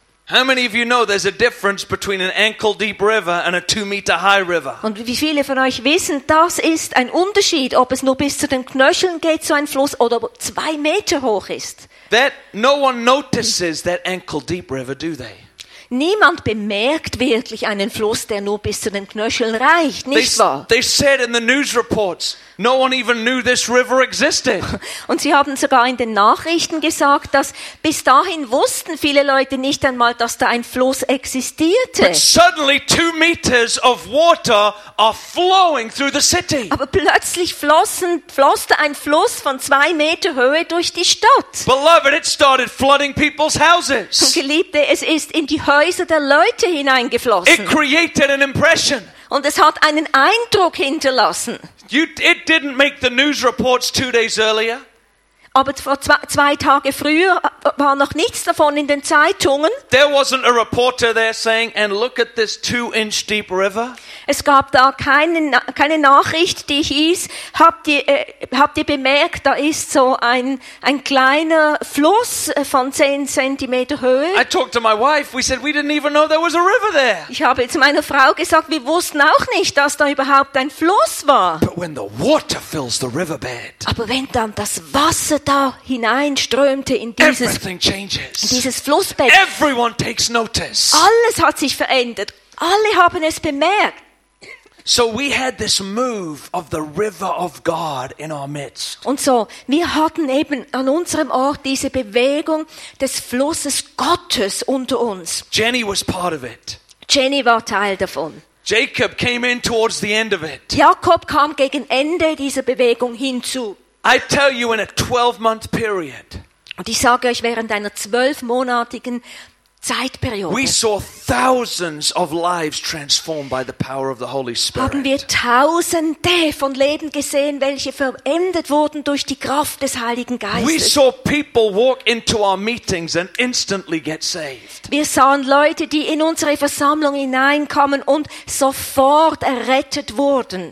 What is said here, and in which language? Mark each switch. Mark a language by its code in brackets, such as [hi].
[en] How many of you know there's a difference between an ankle deep river and a 2 meter high river? [de] Und wie viele von euch wissen, das ist ein Unterschied, ob es nur bis zu den Knöcheln geht, so ein Fluss, oder 2 Meter hoch ist. [en] That no one notices that ankle deep river, do they? [de] Niemand bemerkt wirklich einen Fluss, der nur bis zu den Knöcheln reicht, nicht wahr? [en] They said in the news reports, no one even knew this river existed. [de] Und sie haben sogar in den Nachrichten gesagt, dass bis dahin wussten viele Leute nicht einmal, dass da ein Fluss existierte. [en] But suddenly 2 meters of water are flowing through the city. [de] Aber plötzlich floss ein Fluss von 2 Meter Höhe durch die Stadt. [en] Beloved, it started flooding people's houses. [de] Und Geliebte, es ist in die Häuser der Leute hineingeflossen. [en] It created an impression. [de] Und es hat einen Eindruck hinterlassen. [en] It didn't make the news reports 2 days earlier. [de] Aber vor 2 Tage früher war noch nichts davon in den Zeitungen. [en] There wasn't a reporter there saying, and look at this 2-inch deep river. [de] Es gab da keine Nachricht, die hieß, habt ihr bemerkt, da ist so ein kleiner Fluss von 10 cm Höhe. [en] I talked to my wife, we said we didn't even know there was a river there. [de] Ich habe zu meiner Frau gesagt, wir wussten auch nicht, dass da überhaupt ein Fluss war. [en] But when the water fills the riverbed. [de] Aber wenn dann das Wasser da hineinströmte in dieses Flussbett. [en] Everyone takes notice. [de] Alles hat sich verändert. Alle haben es bemerkt. [en] So we had this move of the river of God in our midst. [de] Und so, wir hatten eben an unserem Ort diese Bewegung des Flusses Gottes unter uns. [en] Jenny was part of it. [de] Jenny war Teil davon. [en] Jacob came in towards the end of it. [de] Jakob kam gegen Ende dieser Bewegung hinzu. [en] I tell you in a 12-month period. [de] Und ich sage euch, während einer 12-monatigen Zeitperiode. [en] We saw thousands of lives transformed by the power of the Holy Spirit. [de] Haben wir Tausende von Leben gesehen, welche verändert wurden durch die Kraft des Heiligen Geistes. [en] We saw people walk into our meetings and instantly get saved. [de] Wir sahen Leute, die in unsere Versammlung hineinkommen und sofort errettet wurden.